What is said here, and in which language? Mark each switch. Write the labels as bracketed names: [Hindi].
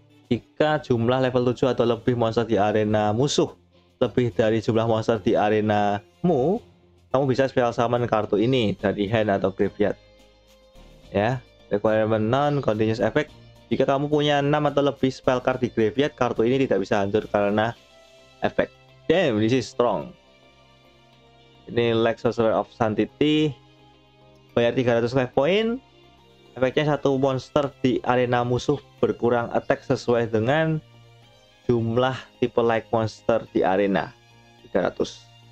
[Indonesian] Jika jumlah level 7 atau lebih monster di arena musuh lebih dari jumlah monster di arenamu, kamu bisa special summon kartu ini dari hand atau graveyard. Ya, requirement non continuous effect. Jika kamu punya 6 atau lebih spell card di graveyard, kartu ini tidak bisa hancur karena efek. [English] Damn, this is strong. [Indonesian] Ini [English] Lex Sorcerer of Sanctity. [Indonesian] Bayar 300 life point. Efeknya satu monster di arena musuh berkurang attack sesuai dengan jumlah tipe like monster di arena. 300.